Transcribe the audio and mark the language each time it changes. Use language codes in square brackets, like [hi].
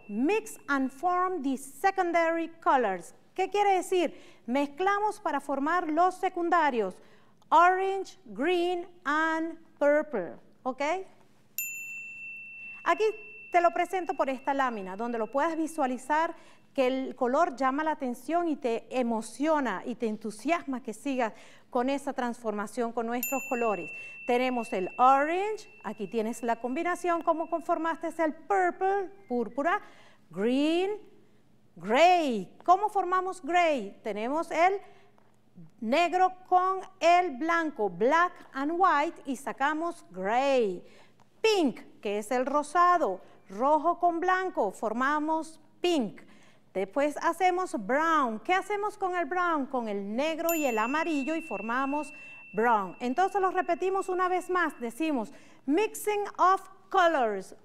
[en] Mix and form the secondary colors. [es] ¿Qué quiere decir? Mezclamos para formar los secundarios. [en] Orange, green and purple. ¿Ok? [es] Aquí te lo presento por esta lámina, donde lo puedas visualizar que el color llama la atención y te emociona y te entusiasma que sigas con esa transformación con nuestros colores. Tenemos el orange, aquí tienes la combinación, cómo conformaste el purple, púrpura, green, gray. ¿Cómo formamos gray? Tenemos el negro con el blanco, [en] black and white, [es] y sacamos gray. Pink, que es el rosado, rojo con blanco, formamos pink. Después hacemos brown. ¿Qué hacemos con el brown? Con el negro y el amarillo y formamos brown. Entonces lo repetimos una vez más. Decimos [en] mixing of colors.